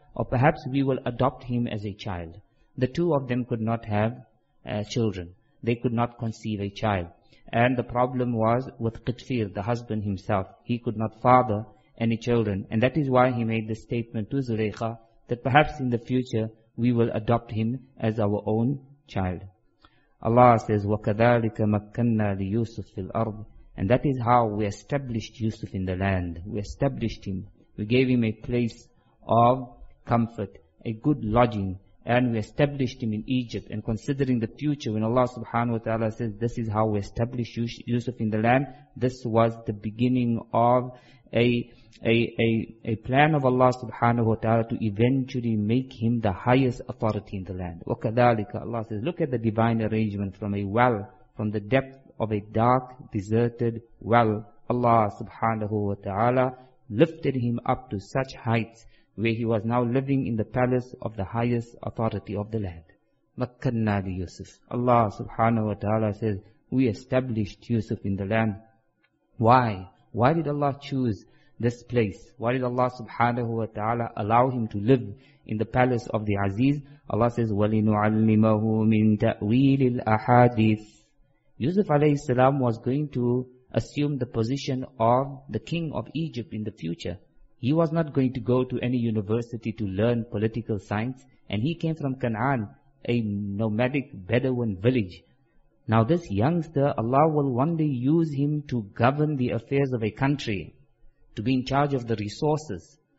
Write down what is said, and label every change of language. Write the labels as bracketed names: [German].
[English] Or perhaps we will adopt him as a child. The two of them could not have children. they could not conceive a child. And the problem was with Qitfir, the husband himself. He could not father any children. And that is why he made the statement to Zulaykha that perhaps in the future we will adopt him as our own child. Allah says, [Arabic] وَكَذَلِكَ مَكَّنَّا لِيُوسُفِ فِي الْأَرْضِ. [English] And that is how we established Yusuf in the land. We established him. We gave him a place of comfort, a good lodging. And we established him in Egypt. And considering the future, when Allah subhanahu wa ta'ala says, this is how we established Yusuf in the land, this was the beginning of a plan of Allah subhanahu wa ta'ala to eventually make him the highest authority in the land. [Arabic] وَكَذَلِكَ. [English] Allah says, look at the divine arrangement from a well, from the depth of a dark, deserted well. Allah subhanahu wa ta'ala lifted him up to such heights where he was now living in the palace of the highest authority of the land. [Arabic] مَكَّنَّا لِيُوسُفِ. [English] Allah subhanahu wa ta'ala says, we established Yusuf in the land. Why? Why did Allah choose this place? Why did Allah subhanahu wa ta'ala allow him to live in the palace of the Aziz? Allah says, [Arabic] وَلِنُعَلِّمَهُ مِن تَأْوِيلِ الْأَحَادِثِ. [English] Yusuf alayhi salam was going to assume the position of the king of Egypt in the future. He was not going to go to any university to learn political science. And he came from Canaan, a nomadic Bedouin village. Now this youngster, Allah will one day use him to govern the affairs of a country, to be in charge of the resources.